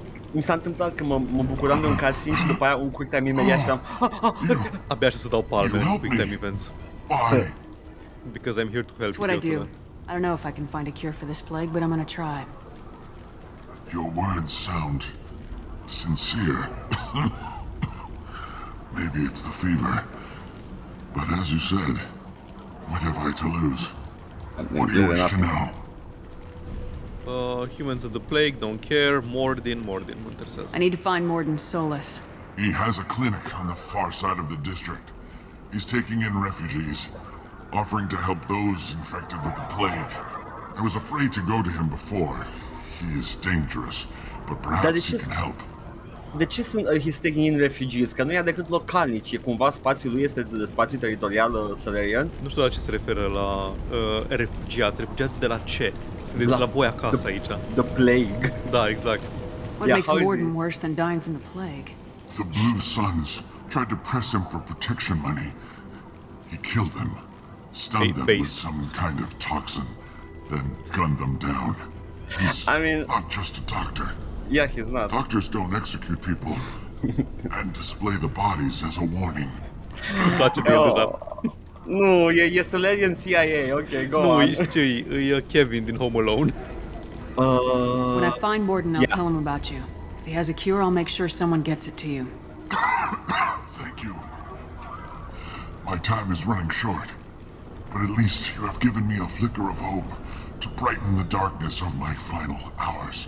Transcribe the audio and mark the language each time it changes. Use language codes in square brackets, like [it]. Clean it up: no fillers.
[ro] Mi s-a întâmplat că mă bucuram de un cutscene și după aia un quick time imediat și am... Abia așa să dau palme în quick time events. [en] Because I'm here to help you. It's what I don't know if I can find a cure for this plague, but I'm gonna try. Your words sound sincere. Maybe it's the fever. But as you said, what have I to lose? What do you wish to know? Humans of the plague don't care. Morden, Winter says. I need to find Morden Solas. He has a clinic on the far side of the district. He's taking in refugees, offering to help those infected with the plague. I was afraid to go to him before. He is dangerous, but perhaps he can help. [ro] De ce sunt [en] he's taking in refugees? [ro] Că nu ia decât localnici, e cumva spațiul lui este de spațiu teritorial Salarian? Nu știu la ce se referă la refugiați. Refugiați de la ce? Sunteți la voi acasă aici. [en] The plague. [ro] Da, exact. [en] What makes Morden worse than dying from the plague? The Blue Suns tried to press him for protection money. He killed them, stunned them with some kind of toxin, then gunned them down. Not just a doctor. Yeah, he's not. Doctors don't execute people and display the bodies as a warning. [ro] Nu, e Salarian CIA, [en] ok, go [ro] nu, [en] on. [ro] Nu, știi ce e Kevin din Home Alone. [en] When I find Morden, I'll tell him about you. If he has a cure, I'll make sure someone gets it to you. Thank you. My time is running short, but at least you have given me a flicker of hope to brighten the darkness of my final hours.